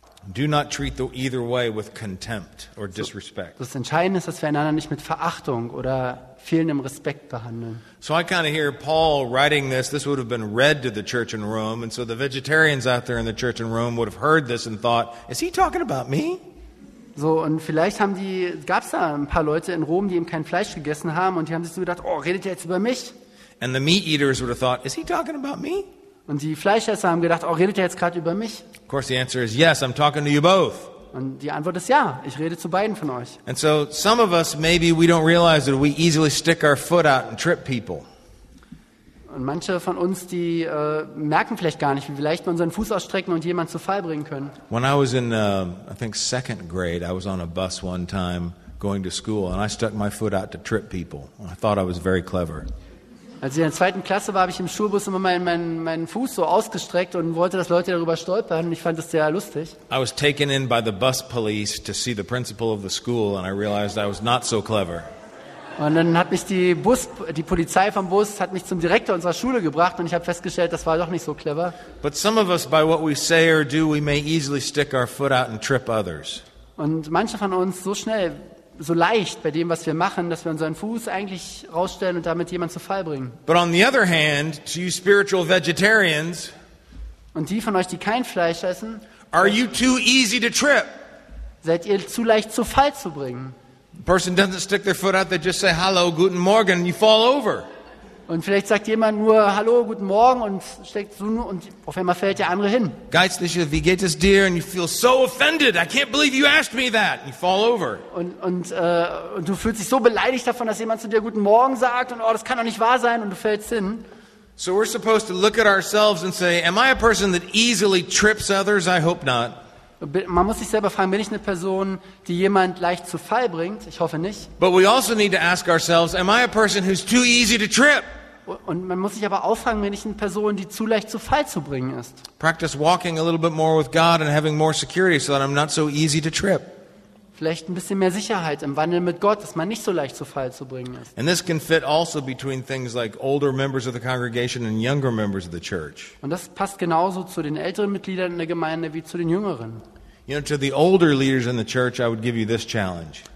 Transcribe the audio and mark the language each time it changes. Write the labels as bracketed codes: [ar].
[en] Do not treat the either way with contempt or disrespect. [de] Das Entscheidende ist, dass wir einander nicht mit Verachtung oder fehlendem Respekt behandeln. [en] So I kind of hear Paul writing this. This would have been read to the church in Rome, and so the vegetarians out there in the church in Rome would have heard this and thought, "Is he talking about me?" [de] So, und vielleicht haben die, gab's da ein paar Leute in Rom, die eben kein Fleisch gegessen haben, und die haben sich so gedacht, oh, redet er jetzt über mich? [en] And the meat eaters would have thought, "Is he talking about me?" [de] Und die Fleischesser haben gedacht, oh, redet er jetzt gerade über mich? [en] Of course the answer is yes, I'm talking to you both. [de] Und die Antwort ist ja, ich rede zu beiden von euch. [en] And so some of us maybe we don't realize that we easily stick our foot out and trip people. [de] Und manche von uns, die merken vielleicht gar nicht, wie wir leicht unseren Fuß ausstrecken und jemanden zu Fall bringen können. [en] When I was in I think second grade, I was on a bus one time going to school and I stuck my foot out to trip people. I thought I was very clever. [de] Als ich in der zweiten Klasse war, habe ich im Schulbus immer meinen Fuß so ausgestreckt und wollte, dass Leute darüber stolpern. Ich fand das sehr lustig. [en] I was taken in by the bus police to see the principal of the school and I realized I was not so clever. [de] Und dann hat mich die Polizei vom Bus hat mich zum Direktor unserer Schule gebracht und ich habe festgestellt, das war doch nicht so clever. [en] But some of us by what we say or do, we may easily stick our foot out and trip others. [de] Und manche von uns so schnell, so leicht bei dem, was wir machen, dass wir unseren Fuß eigentlich rausstellen und damit jemanden zu Fall bringen. [en] But on the other hand, to you spiritual vegetarians, [de] und die von euch, die kein Fleisch essen, [en] are you too easy to trip? [de] Seid ihr zu leicht zu Fall zu bringen? [en] The person doesn't stick their foot out, they just say [de] hallo, guten Morgen, [en] and you fall over. [de] Und vielleicht sagt jemand nur hallo, guten Morgen und steckt so nur und auf einmal fällt der andere hin. Geistliche, wie geht es dir? [en] And you feel so offended. I can't believe you asked me that. And you fall over. [de] Und du fühlst dich so beleidigt davon, dass jemand zu dir guten Morgen sagt und oh, das kann doch nicht wahr sein und du fällst hin. [en] So we're supposed to look at ourselves and say, am I a person that easily trips others? I hope not. [de] Man muss sich selber fragen, bin ich eine Person, die jemand leicht zu Fall bringt? Ich hoffe nicht. [en] But we also need to ask ourselves, am I a person who's too easy to trip? [de] Und man muss sich aber auch fragen, bin ich eine Person, die zu leicht zu Fall zu bringen ist? [en] Practice walking a little bit more with God and having more security so that I'm not so easy to trip. [de] Vielleicht ein bisschen mehr Sicherheit im Wandel mit Gott, dass man nicht so leicht zu Fall zu bringen ist. [en] And this can fit also between things like older members of the congregation and younger members of the church. [de] Und das passt genauso zu den älteren Mitgliedern in der Gemeinde wie zu den jüngeren. [en] You know, to the older leaders in the church, I would give you this challenge.